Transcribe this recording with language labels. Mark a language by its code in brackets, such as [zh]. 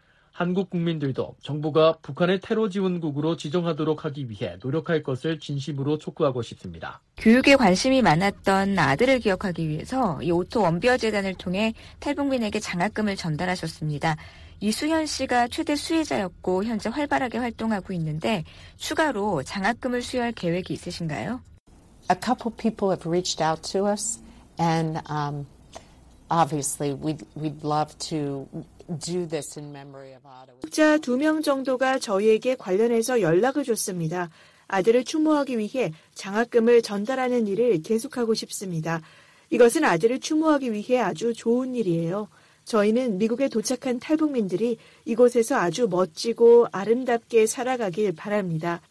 [ko] 한국 국민들도 정부가 북한을 테러 지원국으로 지정하도록 하기 위해 노력할 것을 진심으로 촉구하고 싶습니다. 교육에 관심이 많았던 아들을 기억하기 위해서 이 오토 원비어 재단을 통해 탈북민에게 장학금을 전달하셨습니다. 이수현 씨가 최대 수혜자였고 현재 활발하게 활동하고 있는데 추가로 장학금을 수여할 계획이 있으신가요? [en] A couple people have reached out to us and obviously we'd love to do this in memory of Otto. [ko] 독자 두 명 정도가 저희에게 관련해서 연락을 줬습니다. 아들을 추모하기 위해 장학금을 전달하는 일을 계속하고 싶습니다. 이것은 아들을 추모하기 위해 아주 좋은 일이에요. 저희는 미국에 도착한 탈북민들이 이곳에서 아주 멋지고 아름답게 살아가길 바랍니다.